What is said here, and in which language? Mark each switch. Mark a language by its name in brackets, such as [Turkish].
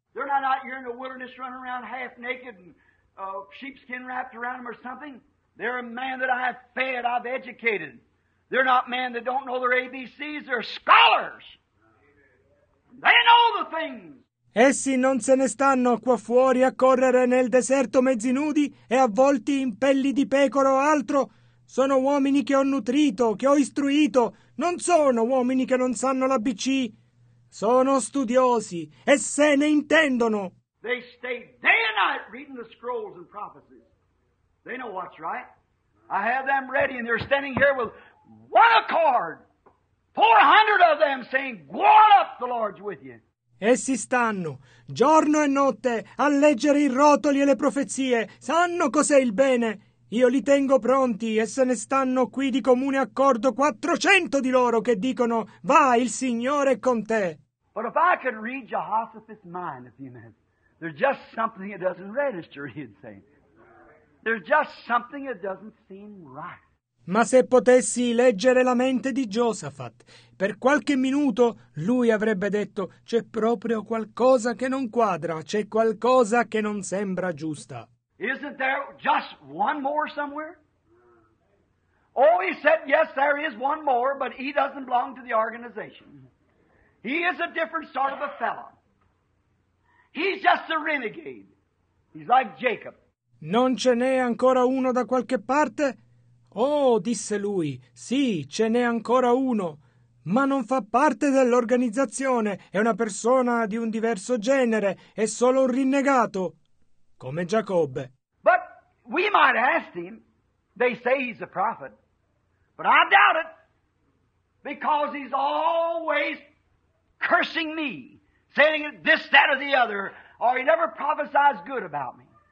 [English] They're not out here in the wilderness running around half naked and sheepskin wrapped around them or something. They're a man that I have fed, I've educated. They're not men that don't know their ABCs, they're scholars. They know the things. [Italian] Essi non se ne stanno qua fuori a correre nel deserto mezzi nudi e avvolti in pelli di pecora o altro. Sono uomini che ho nutrito, che ho istruito. Non sono uomini che non sanno l'ABC. Sono studiosi e se ne intendono. [English] They stay day and night reading the scrolls and prophecies. They know what's right. I have them ready and they're standing here with one accord. 400 of them saying, go on up, the Lord's with you. [Italian] Essi stanno, giorno e notte, a leggere i rotoli e le profezie. Sanno cos'è il bene. Io li tengo pronti e se ne stanno qui di comune accordo 400 di loro che dicono, va, il Signore è con te. [English] But if I could read Jehoshaphat's mind a few minutes, there's just something that doesn't register, he'd say. There's just something that doesn't seem right. [Italian] Ma se potessi leggere la mente di Josaphat, per qualche minuto lui avrebbe detto c'è proprio qualcosa che non quadra, c'è qualcosa che non sembra giusta. [English] Isn't there just one more somewhere? Oh, he said, yes, there is one more, but he doesn't belong to the organization. He is a different sort of a fellow. He's just a renegade. He's like Jacob. [Italian] Non ce n'è ancora uno da qualche parte? Oh, disse lui, sì, ce n'è ancora uno, ma non fa parte dell'organizzazione, è una persona di un diverso genere, è solo un rinnegato, come Giacobbe. [English] But we might ask him, they say he's a prophet, but I doubt it, because he's always cursing me, saying this, that, or the other, or he never prophesies good about me.